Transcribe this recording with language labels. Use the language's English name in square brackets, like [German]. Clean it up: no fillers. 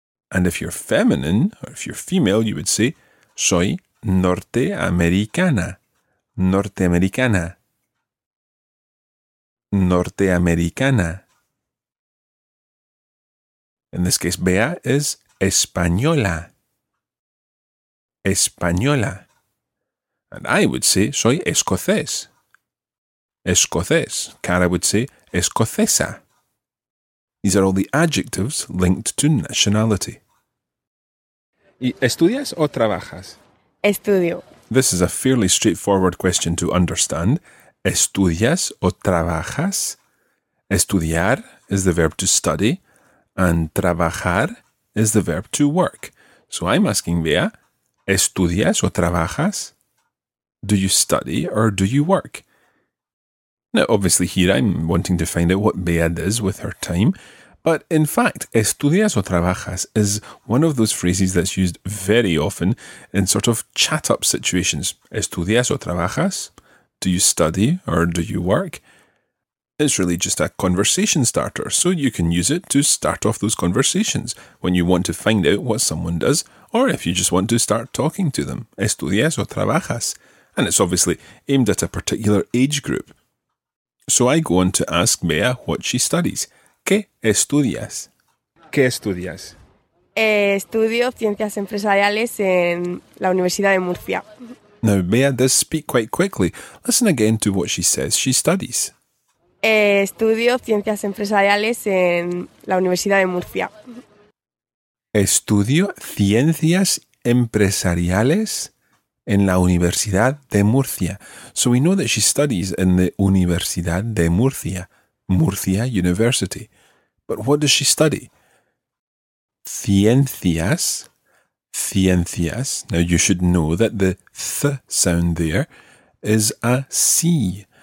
[English] And if you're feminine, or if you're female, you would say [Spanish] soy norteamericana, norteamericana. Norteamericana. [English] In this case, Bea is española. [Spanish] Española. [English] And I would say, [Spanish] soy escocés. Escocés. [English] Cara would say, escocesa. These are all the adjectives linked to nationality. [Spanish] ¿Y estudias o trabajas? Estudio. [English] This is a fairly straightforward question to understand. [Spanish] ¿Estudias o trabajas? [English] Estudiar is the verb to study, and trabajar is the verb to work. So I'm asking Bea, [Spanish] ¿estudias o trabajas? [English] Do you study or do you work? Now, obviously here I'm wanting to find out what Bea does with her time, but in fact, [Spanish] ¿estudias o trabajas? [English] Is one of those phrases that's used very often in sort of chat-up situations. [Spanish] ¿Estudias o trabajas? [English] Do you study or do you work? It's really just a conversation starter, so you can use it to start off those conversations when you want to find out what someone does or if you just want to start talking to them. [Spanish] ¿Estudias o trabajas? [English] And it's obviously aimed at a particular age group. So I go on to ask Bea what she studies. [Spanish] ¿Qué estudias? ¿Qué estudias? Estudio ciencias empresariales en la Universidad de Murcia. [English] Now, Bea does speak quite quickly. Listen again to what she says she studies. [Spanish] Estudio ciencias empresariales en la Universidad de Murcia. Estudio ciencias empresariales en la Universidad de Murcia. [English] So we know that she studies in the Universidad de Murcia, Murcia University. But what does she study? Ciencias. Ciencias. Now you should know that the th sound there is a C.